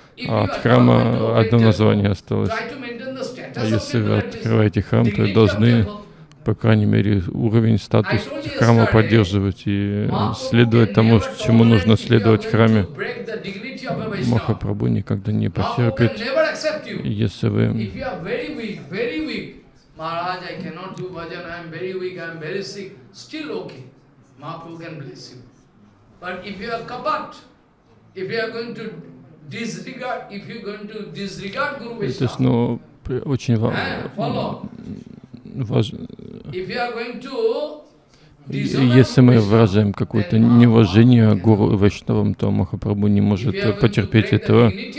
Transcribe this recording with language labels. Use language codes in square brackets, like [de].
[ru] А от храма одно название осталось. А если вы открываете храм, то вы должны, по крайней мере, уровень, статус храма поддерживать и следовать тому, чему нужно следовать в храме. Махапрабху никогда не потерпит, если вы... [en] But if you are kapat, if you are going to disregard, if you are going to disregard Guru Vishnu, if you are going to [ru] Если мы выражаем какое-то неуважение Гуру Вайшнавам, то Махапрабху не может потерпеть этого.